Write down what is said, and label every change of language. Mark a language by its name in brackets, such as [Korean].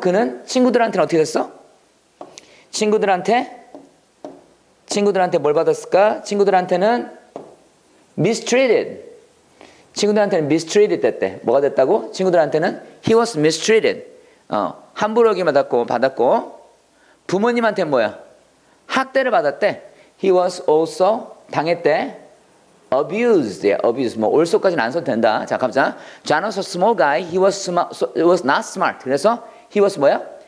[Korean] 그는 친구들한테는 어떻게 됐어? 친구들한테 뭘 받았을까? 친구들한테는 mistreated. 친구들한테는 mistreated 됐대. 뭐가 됐다고? [English] 친구들한테는 he was mistreated. [Korean] 함부로 얘기 받았고 부모님한테 뭐야? 학대를 받았대. [English] He was also [Korean] 당했대. [English] Abused. Yeah, abused. [Korean] 뭐 올소까지는 안 써도 된다. [English] 자, 갑자. John was a small guy. He was not smart. [Korean] 그래서 [English] he was [Korean] 뭐야?